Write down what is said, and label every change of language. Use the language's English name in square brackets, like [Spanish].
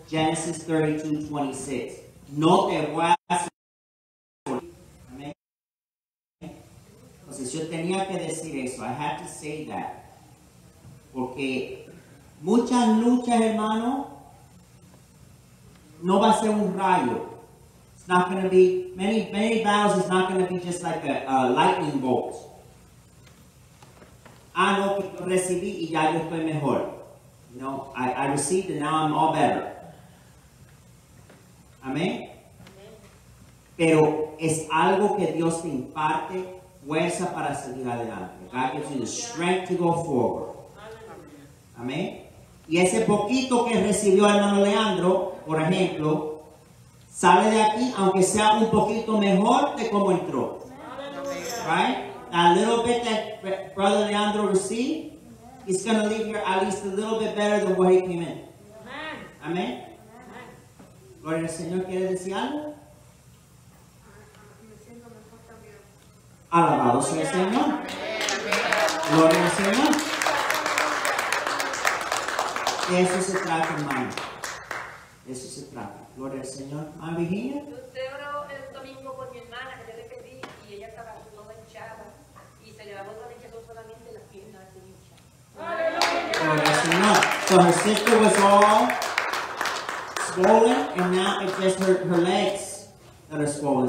[Spanish] Genesis 32, 26. No te voy a hacer. Amén. Entonces yo tenía que decir eso. [English] I have to say that. [Spanish] Porque muchas luchas, hermano, no va a ser un rayo. [English] It's not going to be, many battles is not going to be just like a lightning bolt. [Spanish] Ah, no, que yo recibí y ya yo estoy mejor. [English] No, I received and now I'm all better. Amén. [Spanish] Pero es algo que Dios te imparte fuerza para seguir adelante. [English] God gives you the strength to go forward. [Spanish] Amén. Y ese poquito que recibió el hermano Leandro, por ejemplo, sale de aquí, aunque sea un poquito mejor de cómo entró. [English] Right? A little bit that brother Leandro received, he's going to leave here at least a little bit better than where he came in. [Spanish] Amén. Amén. Gloria al Señor, ¿quiere decir algo? Alabado sea el Señor. Gloria al Señor. De eso se trata, hermano. De eso se trata. Gloria al Señor. ¿Ah, Virginia? Yo usted oró el domingo con mi hermana, que yo le pedí, y ella estaba toda hinchada. Y se le daba otra vez solamente las piernas de hinchada. Gloria al Señor. [English] So her sister was all swollen, and now it's just her legs that are swollen.